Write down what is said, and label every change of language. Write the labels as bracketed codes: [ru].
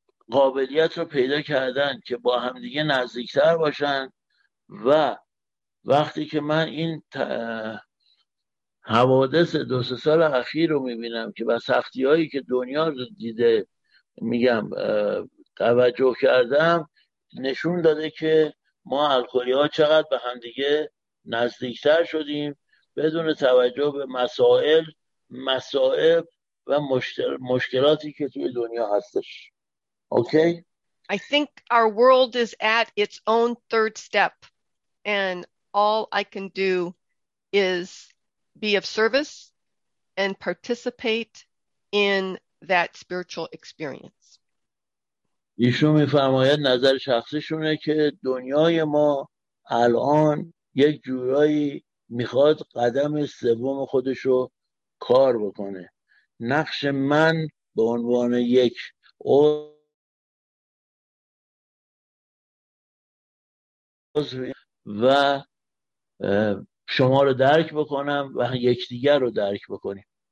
[fa] قابلیت رو پیدا کردن که با هم دیگه نزدیکتر باشن، و وقتی که من این حوادث دو سه سال اخیر رو میبینم که با سختی هایی که دنیا رو دیده میگم توجه کردم، نشون داده که ما الکلی ها چقدر به هم دیگه نزدیکتر شدیم بدون توجه به مسائل، مصائب و مشکلاتی که توی دنیا هستش. اوکی؟ [en] I think our world is at its own third step and all I can do is be of service and participate in that spiritual experience. [fa] ایشون میفرماید نظر شخصیشونه که دنیای ما الان یک جورایی میخواد قدم سوم خودش رو کار بکنه. نقش من به عنوان یک عضو و شما رو درک بکنم و یکدیگر رو درک بکنیم.